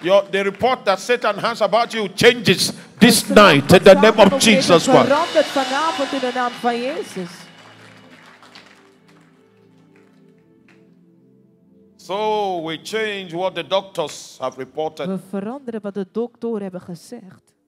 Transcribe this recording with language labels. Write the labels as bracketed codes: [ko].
[en] The report that Satan has about you changes this night in the name of Jesus. [nl] Verandert vanavond in de naam van Jezus. [en] So we change what the doctors have reported. [nl] We veranderen wat de doktoren hebben gezegd.